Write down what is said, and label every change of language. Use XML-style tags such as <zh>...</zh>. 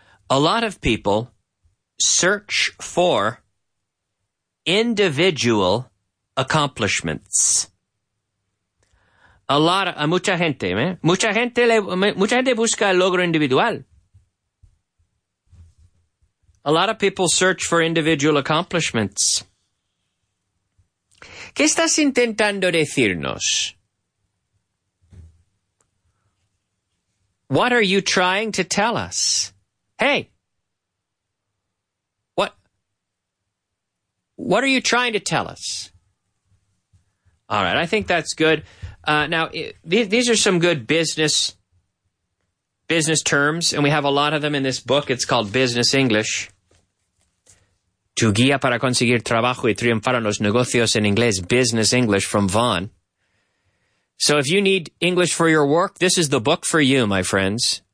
<en>A lot of people search for individual accomplishments. A lot,</en> <es>mucha gente busca el logro individual.</es> <en>A lot of people search for individual accomplishments.</en> <es>¿Qué estás intentando decirnos?</es> <en>What are you trying to tell us? Hey, what are you trying to tell us? All right, I think that's good. Now, these are some good business terms, and we have a lot of them in this book. It's called Business English.</en> <es>Tu guía para conseguir trabajo y triunfar en los negocios en inglés, Business English from Vaughn.</es> <en>So if you need English for your work, this is the book for you, my friends.</en>